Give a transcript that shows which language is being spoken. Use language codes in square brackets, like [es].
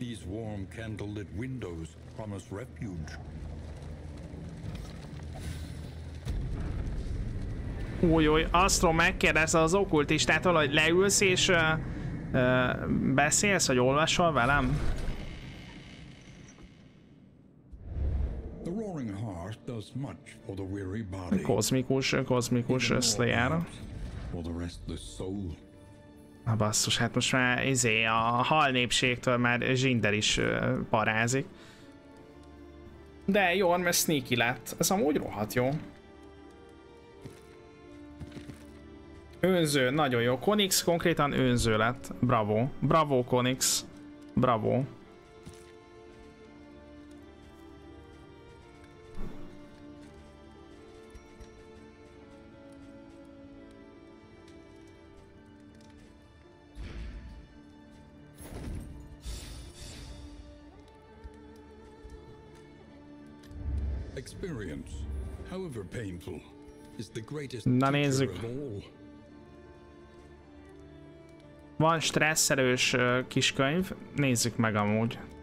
[en] Warm candlelit windows promise refuge. [hu] Ujjjj, Astro megkérdezte az okkultistától, hogy leülsz és Beszélsz, hogy olvasol velem? [en] The roaring heart does much for the weary body. [hu] Kozmikus Slayer. [en] For the restless soul. [hu] Na basszus, hát most már izé, a hal népségtől már Zsinder is parázik. De jó, mert sneaky lett. Ez amúgy rohadt jó. Önző, nagyon jó. Konix konkrétan önző lett. Bravo. Bravo, Konix. Bravo. [en] Experience, however painful, is the greatest teacher of all. [hu] Van stresszerős kiskönyv, nézzük meg amúgy.